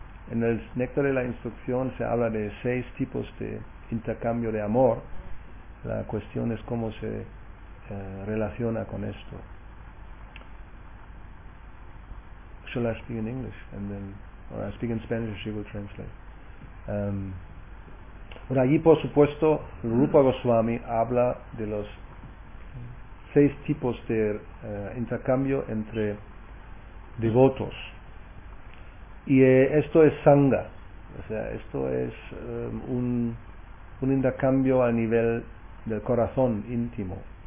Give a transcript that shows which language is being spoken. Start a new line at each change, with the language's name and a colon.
Spanish: En el néctar de la instrucción se habla de 6 tipos de intercambio de amor. La cuestión es cómo se relaciona con esto.
English: Shall I speak in English? And then, or I speak in Spanish, she will translate.
Spanish: Por allí, por supuesto, Rupa Goswami habla de los 6 tipos de intercambio entre devotos. Y esto es sangha, o sea, esto es un intercambio a nivel del corazón íntimo.